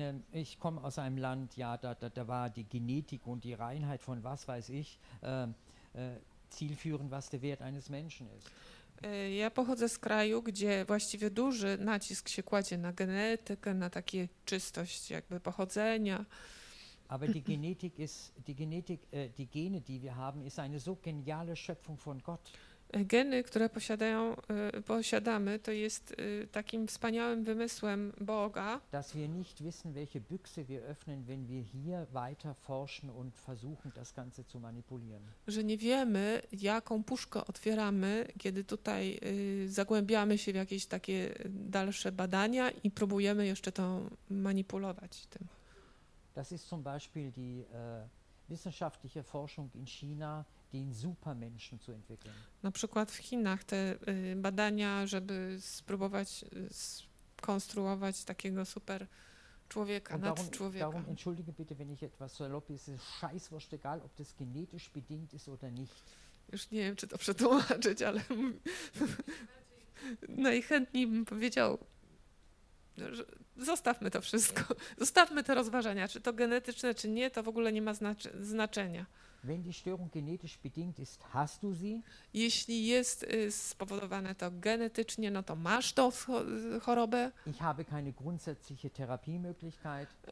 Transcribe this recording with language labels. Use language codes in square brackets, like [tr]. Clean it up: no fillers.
[de] Ich komme aus einem Land, ja, da war die Genetik und die Reinheit von was weiß ich zielführend, was der Wert eines Menschen ist. [pl] Ja pochodzę z kraju, gdzie właściwie duży nacisk się kładzie na genetykę, na takie czystość jakby pochodzenia. [de] Aber die Genetik ist die Genetik die Gene, die wir haben, ist eine so geniale Schöpfung von Gott. [pl] Geny, które posiadamy, to jest takim wspaniałym wymysłem Boga. [de] Dass wir nicht wissen, welche Büchse wir öffnen, wenn wir hier weiter forschen und versuchen, das Ganze zu manipulieren. [pl] Że nie wiemy, jaką puszkę otwieramy, kiedy tutaj zagłębiamy się w jakieś takie dalsze badania i próbujemy jeszcze to manipulować tym. [de] Das ist zum Beispiel die wissenschaftliche Forschung in China, den Supermenschen zu entwickeln. [pl] Na przykład w Chinach te badania, żeby spróbować skonstruować takiego super człowieka, nad człowieka. [de] Darum entschuldige bitte, wenn ich etwas saloppy, es ist scheißwurst egal, ob das genetisch bedingt ist oder nicht. [pl] Już nie wiem, czy to przetłumaczyć, ale najchętniej bym powiedział, że zostawmy to wszystko, zostawmy te rozważania, czy to genetyczne, czy nie, to w ogóle nie ma znaczenia. [de] Wenn die Störung genetisch bedingt ist, hast du sie? [pl] Jeśli jest spowodowane to genetycznie, no to masz to chorobę. [de] Ich habe keine grundsätzliche Therapiemöglichkeit.